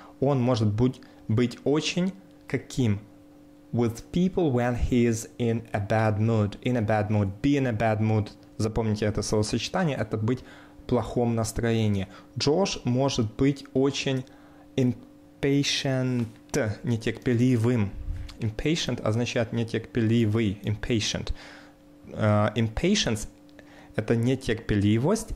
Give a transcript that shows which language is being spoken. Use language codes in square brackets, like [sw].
[ru] Он может быть очень каким? [en] With people when he is in a bad mood. In a bad mood. Be in a bad mood. [ru] Запомните это словосочетание. Это быть плохом настроении. Джош может быть очень impatient, нетерпеливым. Impatient означает нетерпеливый, impatient. Impatience – это нетерпеливость.